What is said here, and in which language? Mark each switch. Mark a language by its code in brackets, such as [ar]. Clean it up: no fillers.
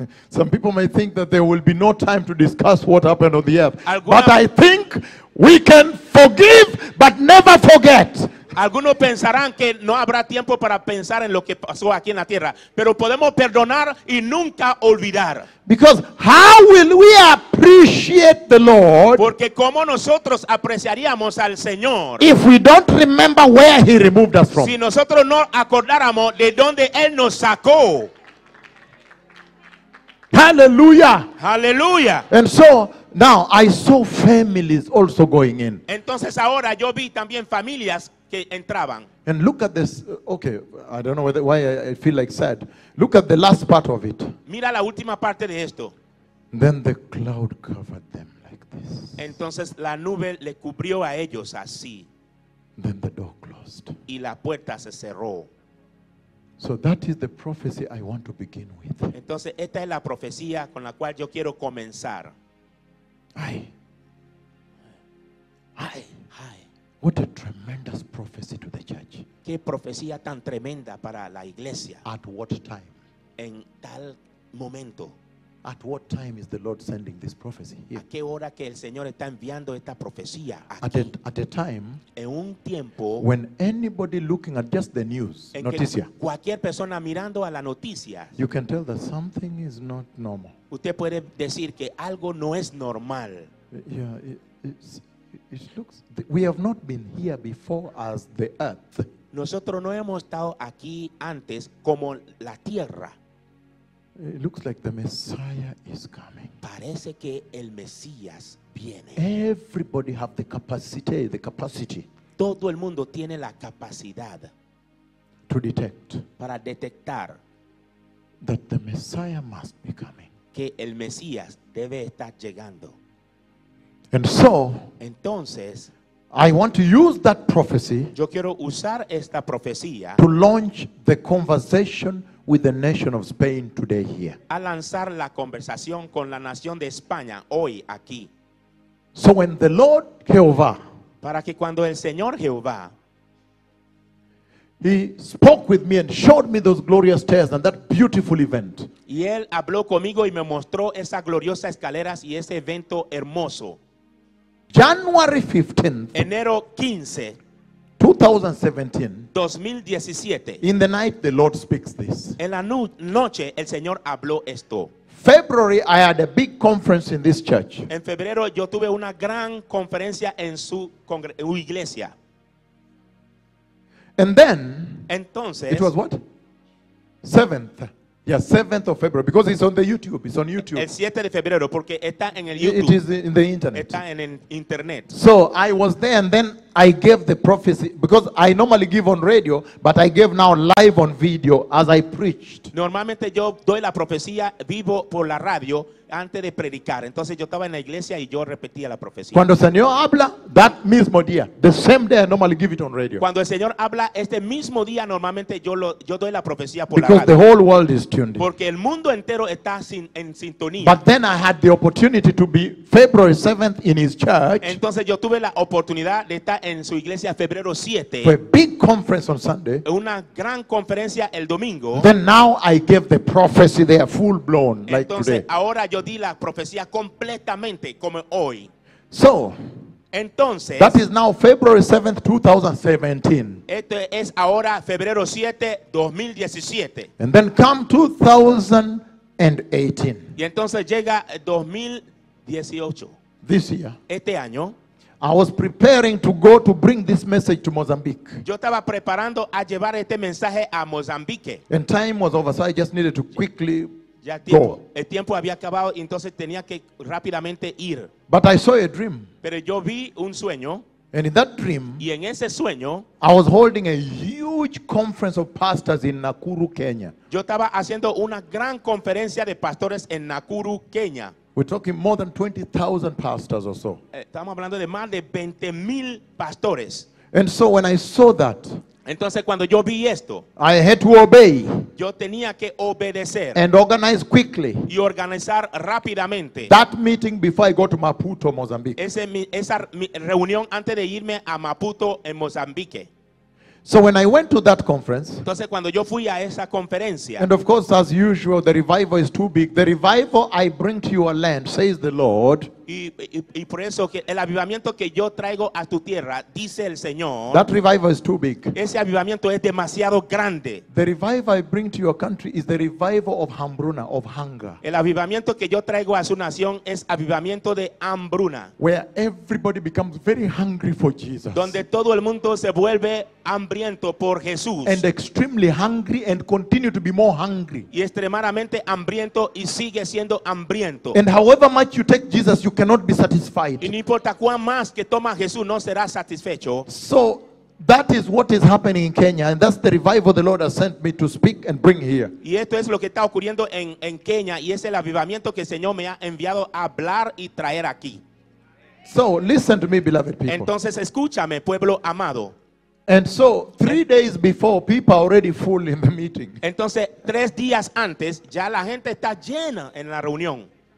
[en] Some people may think that there will be no time to discuss what happened on the earth. But I think we can forgive but never forget. [es] Algunos pensarán que no habrá tiempo para pensar en lo que pasó aquí en la tierra, pero podemos perdonar y nunca olvidar. [en] Because how will we appreciate the Lord? [es] Porque cómo nosotros apreciaríamos al Señor? [en] If we don't remember where he removed us from. [es] Si nosotros no acordáramos de dónde él nos sacó. [en] Hallelujah. Hallelujah. And so now I saw families also going in. [es] Entonces ahora yo vi también familias que entraban. [en] And look at this. Okay, I don't know why I feel like sad. Look at the last part of it. [es] Mira la última parte de esto. [en] Then the cloud covered them like this. [es] Entonces la nube le cubrió a ellos así. [en] Then the door closed. [es] Y la puerta se cerró. [en] So that is the prophecy I want to begin with. [es] Entonces esta es la profecía con la cual yo quiero comenzar. Ay. Ay. [en] Ay. What a tremendous prophecy to the church. [es] Qué profecía tan tremenda para la iglesia. [en] At what time? [es] En tal momento. [en] At what time is the Lord sending this prophecy here? [es] ¿A qué hora que el Señor está enviando esta profecía aquí? [en] At a time, [es] en un tiempo, [en] when anybody looking at just the news, [es] en noticia, que cualquier persona mirando a la noticia, [en] you can tell that something is not normal. [es] Usted puede decir que algo no es normal. [en] Yeah, it looks. We have not been here before as the earth. [es] Nosotros no hemos estado aquí antes como la tierra. [en] It looks like the Messiah is coming. [es] Parece que el Mesías viene. [en] Everybody have the capacity. [es] Todo el mundo tiene la capacidad. [en] To detect. [es] Para detectar. [en] That the Messiah must be coming. [es] Que el Mesías debe estar llegando. [en] And so. [es] Entonces. [en] I want to use that prophecy. [es] Yo quiero usar esta profecía. [en] To launch the conversation with the nation of Spain today here. [es] A lanzar la conversación con la nación de España hoy aquí. [en] So when the Lord Jehovah, [es] para que cuando el Señor Jehová, [en] He spoke with me and showed me those glorious stairs and that beautiful event. [es] Y él habló conmigo y me mostró esa gloriosa escaleras y ese evento hermoso. [en] January 15th. [es] Enero 15. [en] 2017. In the night the Lord speaks this. [es] En la noche el Señor habló esto. [en] February I had a big conference in this church. [es] En febrero yo tuve una gran conferencia en su iglesia. [en] And then, [es] entonces, [en] it was what? 7th. Yeah, 7th of February. Because it's on the YouTube. It's on YouTube. [es] El 7 de febrero, porque está en el YouTube. [en] It is in the internet. [es] Está en el internet. [en] So I was there and then I gave the prophecy. Because I normally give on radio, but I gave now live on video as I preached. [es] Normalmente yo doy la profecía vivo por la radio antes de predicar. Entonces yo estaba en la iglesia y yo repetía la profecía. Cuando el Señor habla, [en] that [es] mismo día, [en] the same day I normally give it on radio. [es] Cuando el Señor habla este mismo día, normalmente yo doy la profecía por [en] Because [es] la radio. [en] The whole world is tuned in. [es] Porque el mundo entero está en sintonía. [en] But then I had the opportunity to be February 7th in his church. [es] Entonces yo tuve la oportunidad de estar en su iglesia febrero 7. [en] For a big conference on Sunday. [es] Una gran conferencia el domingo. [en] Then now I give the prophecy there full blown like [es] Entonces, [en] today. [es] Ahora yo di la profecía completamente como hoy. [en] So, [es] entonces, [en] that is now February 7th, 2017. [es] Esto es ahora febrero 7, 2017. [en] And then come 2018. [es] Y entonces llega 2018. [en] This year. [es] Este año. [en] I was preparing to go to bring this message to Mozambique. [es] Yo estaba preparando a llevar este mensaje a Mozambique. [en] And time was over, so I just needed to quickly [es] Ya tiempo, [en] go. [es] El tiempo había acabado, entonces tenía que rápidamente ir. [en] But I saw a dream. [es] Pero yo vi un sueño. [en] And in that dream, [es] y en ese sueño, [en] I was holding a huge conference of pastors in Nakuru, Kenya. [es] Yo estaba haciendo una gran conferencia de pastores en Nakuru, Kenya. [en] We're talking more than 20,000 pastors or so. [es] Estamos hablando de más de 20,000 pastores. [en] And so when I saw that, [es] entonces cuando yo vi esto, [en] I had to obey. [es] Yo tenía que obedecer. [en] And organize quickly. [es] Y organizar rápidamente. [en] That meeting before I go to Maputo, Mozambique. [es] Esa reunión antes de irme a Maputo en Mozambique. [en] So when I went to that conference, [es] entonces cuando yo fui a esa conferencia, [en] and of course, as usual, the revival is too big. The revival I bring to your land, says the Lord. [es] Y por eso que el avivamiento que yo traigo a tu tierra, dice el Señor. [en] That revival is too big. [es] Ese avivamiento es demasiado grande. [en] The revival I bring to your country is the revival of hambruna, of hunger. [es] El avivamiento que yo traigo a su nación es avivamiento de hambruna. [en] Where everybody becomes very hungry for Jesus. [es] Donde todo el mundo se vuelve hambriento por Jesús. [en] And extremely hungry and continue to be more hungry. [es] Y extremadamente hambriento y sigue siendo hambriento. [en] And however much you take Jesus, you cannot be satisfied. [es] Y no importa cuán más que toma Jesús, no será satisfecho. [en] So that is what is happening in Kenya, and that's the revival the Lord has sent me to speak and bring here. [es] Y esto es lo que está ocurriendo en Kenya, y es el avivamiento que el Señor me ha enviado a hablar y traer aquí. [en] So listen to me, beloved people. [es] Entonces escúchame, pueblo amado. [en] And so 3 days before, people are already full in the meeting. [es] Entonces 3 días antes ya la gente está llena en la reunión.